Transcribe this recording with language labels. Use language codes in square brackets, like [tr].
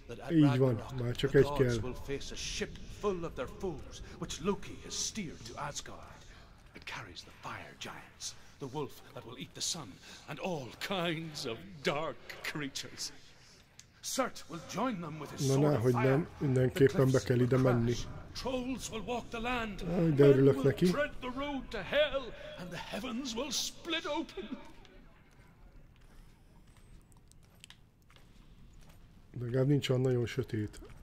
[hu] Így van, már csak egy kell. [en] Carries the fire giants, the wolf that will eat the sun, and all kinds of dark creatures. Surt will join them with his sword. [hu] Na, hogy nem, mindenképpen be kell ide menni. [en] Trolls will walk the land. [hu] De örülök neki. [en] Tread the road to hell, and the heavens will split open. [hu] Legalább nincs olyan nagyon sötét.